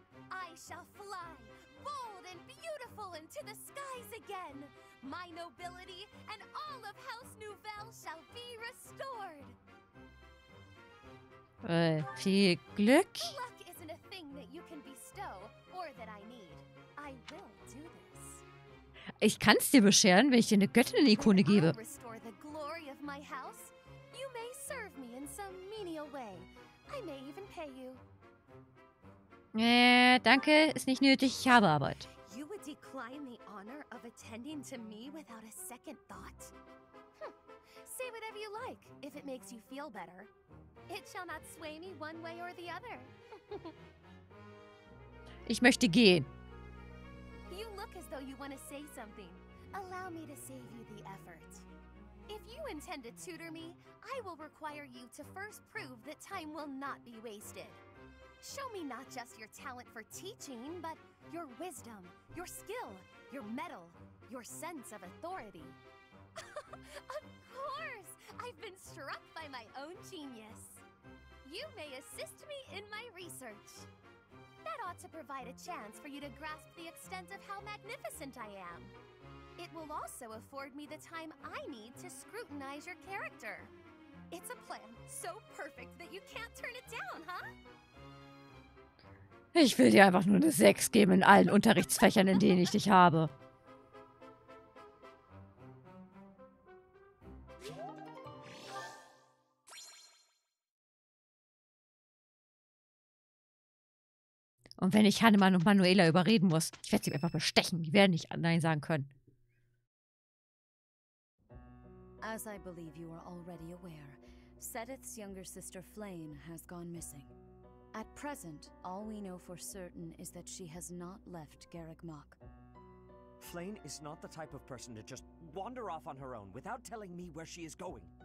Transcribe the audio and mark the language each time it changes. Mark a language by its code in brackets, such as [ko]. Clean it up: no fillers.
[en] I shall fly, bold and beautiful, into the skies again. My nobility and all of House Nouvelle shall be restored. [de] Viel Glück. [en] Luck isn't a thing that you can bestow or that I need. I will do this. [de] Ich kann's dir bescheren, wenn ich dir eine Göttinnen-Ikone gebe. [en] I restore the glory of my house. You may serve me in some menial way. I may even pay you. [de] Danke, ist nicht nötig, ich habe Arbeit. [en] You would decline the honor of attending to me without a second thought? Say whatever you like, if it makes you feel better. It shall not sway me one way or the other. [de] Ich möchte gehen. [en] You look as though you want to say something. Allow me to save you the effort. If you intend to tutor me, I will require you to first prove that time will not be wasted. Show me not just your talent for teaching, but your wisdom, your skill, your mettle, your sense of authority. Of course! I've been struck by my own genius. You may assist me in my research. That ought to provide a chance for you to grasp the extent of how magnificent I am. It will also afford me the time I need to scrutinize your character. It's a plan so perfect that you can't turn it down, huh? [de] Ich will dir einfach nur eine 6 geben in allen Unterrichtsfächern, in denen ich dich habe. Und wenn ich Hannemann und Manuela überreden muss, ich werde sie einfach bestechen. Die werden nicht Nein sagen können. [en] As I believe you are already aware, Sedith's younger sister Flayne has gone missing. At present, all we know for certain is that she has not left Garrick Mach. Flayne is not the type of person to just wander off on her own without telling me where she is going.